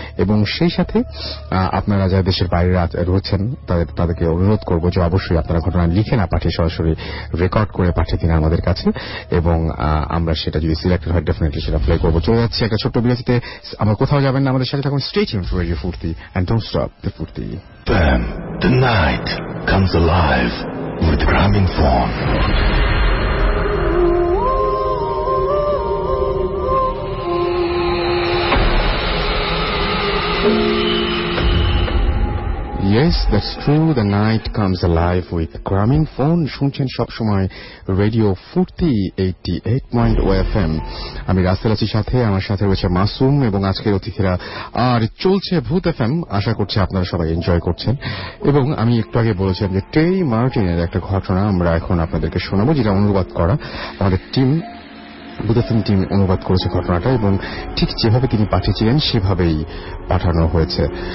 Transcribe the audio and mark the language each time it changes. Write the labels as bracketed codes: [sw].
[bn] এবং সেই সাথে আপনারা যারা দেশের বাইরে রয়েছেন তাদেরকে অনুরোধ করব যে অবশ্যই আপনারা ঘটনা লিখে না পাঠিয়ে সরাসরি রেকর্ড করে পাঠিয়ে দিন আমাদের কাছে, এবং আমরা সেটা যদি সিলেক্টেড হয় ডেফিনেটলি সেটা প্লে করব। চলে যাচ্ছে একটা ছোট্ট বিরতিতে, আমরা কোথাও যাবেন না, আমাদের সাথে থাকুন, স্টে টিউনড ফর রেডিও ফুর্তি এন্ড ডোন্ট স্টপ দ্য ফুর্তি। [en] BAM, the night comes alive with Grameenphone. Yes, that's true, the night comes alive with Grameenphone. [bn] শুনছেন সবসময় রেডিও ফুর্তি 88.0 FM। আমি রাসেল আছি, সাথে আমার সাথে রয়েছে মাসুম এবং আজকের অতিথিরা। আর চলছে ভূত FM, আশা করছি আপনারা সবাই এনজয় করছেন। এবং আমি একটু আগে বলেছিলাম যে টেরি মার্টিনের একটা ঘটনা আমরা এখন আপনাদেরকে শোনাবো, যেটা অনুবাদ করা আমাদের টিম বুদেশন টিম অনুবাদ করেছে ঘটনাটা, এবং ঠিক যেভাবে তিনি পাঠিয়েছিলেন সেভাবেই পাঠানো হয়েছে।